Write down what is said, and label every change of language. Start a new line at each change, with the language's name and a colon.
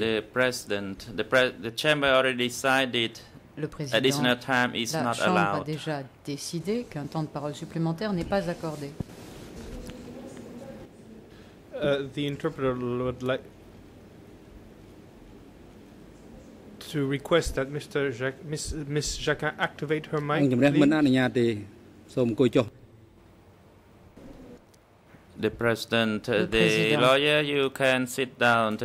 English: The chamber already decided additional time is not allowed.
French: A déjà décidé qu'un temps de parole supplémentaire n'est pas accordé.
English: The interpreter would like to request that Miss Jacquin activate her mic. The President, the lawyer, you can sit down.